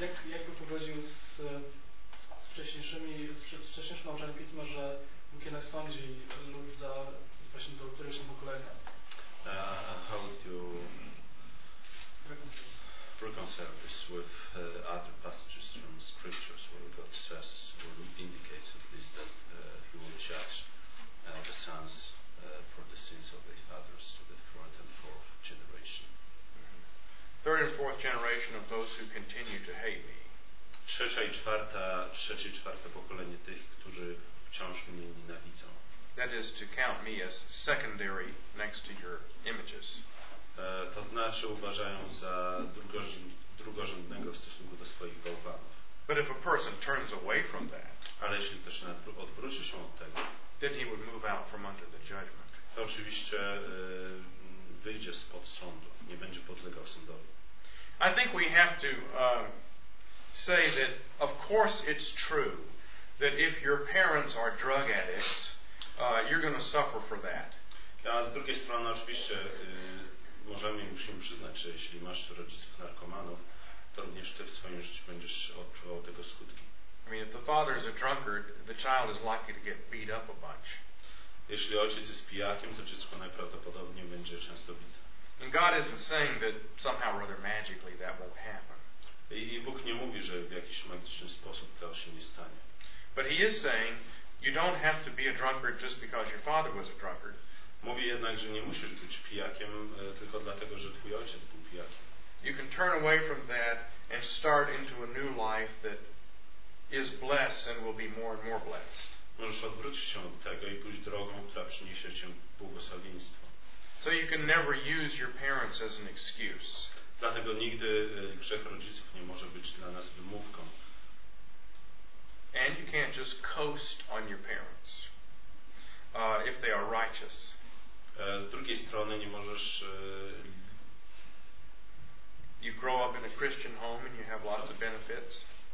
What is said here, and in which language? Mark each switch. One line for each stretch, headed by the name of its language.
Polish: Jak by pogodził z wcześniejszymi, z wcześniejszym nauczaniem pisma, że Bóg jednak sądzi lud za właśnie to któreśnie pokolenia?
English: How would you reconcile this with other passages from scriptures where God says or indicates at least that he will judge the sons for the sins of their fathers to the third and fourth generation. Mm-hmm. Third and fourth generation of those who continue to hate me.
Polish: Trzecie i czwarte pokolenie tych, którzy wciąż mnie nienawidzą.
English: That is to count me as secondary next to your images.
Polish: To znaczy uważają za drugorzędnego w stosunku do swoich bałwanów.
English: But if a person turns away from that,
Polish: ale jeśli też odwróci się od tego,
English: then he would move out from under the judgment.
Polish: To oczywiście wyjdzie spod sądu, nie będzie podlegał sądowi.
English: I think we have to say that of course it's true that if your parents are drug addicts, you're going to suffer for that.
Polish: A z drugiej strony oczywiście możemy i musimy przyznać, że jeśli masz rodziców narkomanów, to również ty w swoim życiu będziesz odczuwał tego skutki.
English: I mean, if the father is a drunkard, the child is likely to get beat up a bunch.
Polish: Jeśli ojciec jest pijakiem, to dziecko najprawdopodobniej będzie często bite.
English: And God isn't saying that somehow or other magically that won't happen.
Polish: I Bóg nie mówi, że w jakiś magiczny sposób to się nie stanie.
English: But he is saying, you don't have to be a drunkard just because your father was a drunkard.
Polish: Mówi jednak, że nie musisz być pijakiem tylko dlatego, że twój ojciec był pijakiem.
English: You can turn away from that and start into a new life that is blessed and will be more and more blessed.
Polish: Możesz odwrócić się od tego i pójść drogą, która przyniesie cię błogosławieństwo.
English: So you can never use your parents as an excuse.
Polish: Dlatego nigdy grzech rodziców nie może być dla nas wymówką.
English: And you can't just coast on your parents if they are righteous.
Polish: Z drugiej strony nie możesz
English: you grow up in a Christian home and you have lots of benefits.